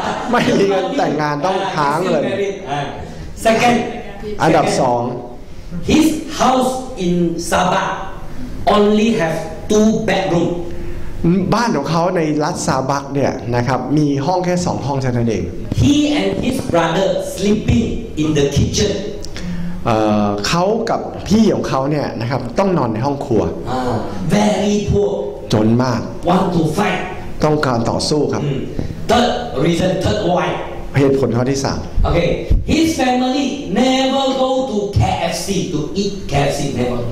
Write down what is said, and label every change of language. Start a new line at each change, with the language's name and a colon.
Thai: ไม่มีเงินแต่งงานต้องหาเงิน
English: Second
Thai: อันดับ2
English: His house in SabahOnly have two bedroom.
Thai: บ้านของเขาในรัฐซาบักเนี่ยนะครับมีห้องแค่2ห้องเท่านั้นเอง
English: He and his brother sleeping in the kitchen.
Thai: เขากับพี่ของเขาเนี่ยนะครับต้องนอนในห้องครัว
English: Very poor.
Thai: จนมาก
English: Want to fight.
Thai: ต้องการต่อสู้ครับ
English: Third reason, third why.
Thai: เหตุผลข้อที่3
English: Okay. His family never go to. KFC to eat KFC never